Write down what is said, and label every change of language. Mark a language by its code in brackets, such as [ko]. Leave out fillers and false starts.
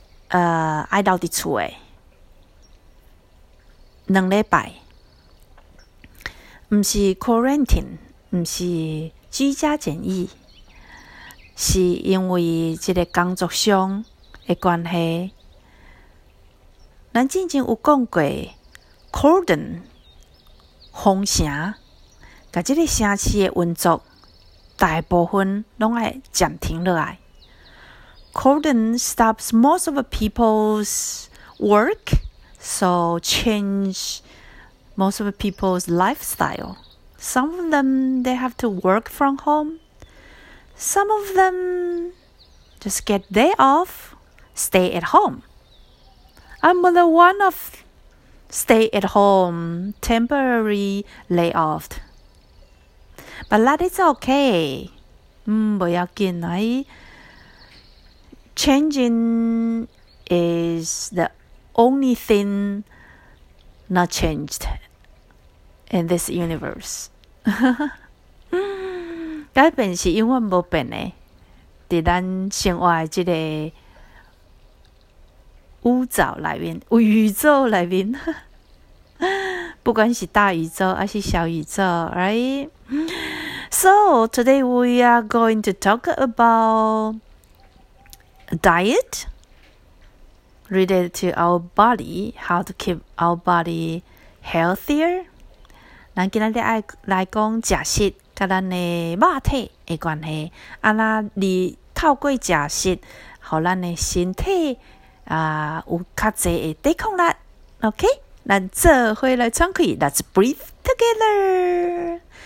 [nan] 爱到伫厝诶，两礼拜，毋是 quarantine， 毋是居家检疫，是因为即个工作上的关系。咱之前有讲过 cordon 封城，甲即个城市的运作大部分拢爱暂停落来。 [en] Cordon stops most of the people's work, so change most of the people's lifestyle. Some of them, they have to work from home. Some of them just get day off, stay at home. I'm the one of stay at home, temporary layoff. But that is okay. [nan] 不要紧啊。 [en] Changing is the only thing not changed in this universe. [nan] 改变是永远无变的，在咱生活的这个宇宙里面，宇宙里面，不管是大宇宙还是小宇宙 ，right? [en] So today we are going to talk about. A diet related to our body, how to keep our body healthier. [nan] 咱今仔日来讲食食甲咱的肉体的关系，那你透过食食，让咱的身体有较侪的抵抗力。 OK， 咱这回来喘气 ， [en] Let's breathe together.